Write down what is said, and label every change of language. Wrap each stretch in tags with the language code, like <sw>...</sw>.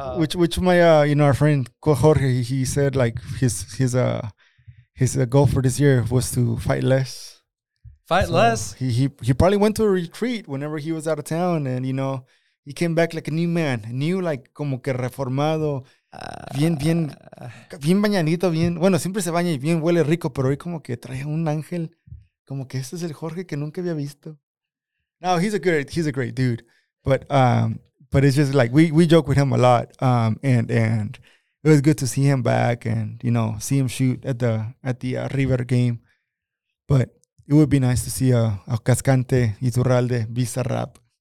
<en>Which my, you know, our friend Jorge, he said, like, his his goal for this year was to fight less. He probably went to a retreat whenever he was out of town, and you know, he came back like a new man, new, like</en> <es>como que reformado, bien bañanito, bien. Bueno, siempre se baña y bien huele rico, pero hoy como que trae un ángel, como que este es el Jorge que nunca había visto.</es> <en>No, he's a great dude, but it's just like we joke with him a lot, and it was good to see him back and you know see him shoot at the River game, but it would be nice to see a Cascante Iturralde Bizarrap.</en>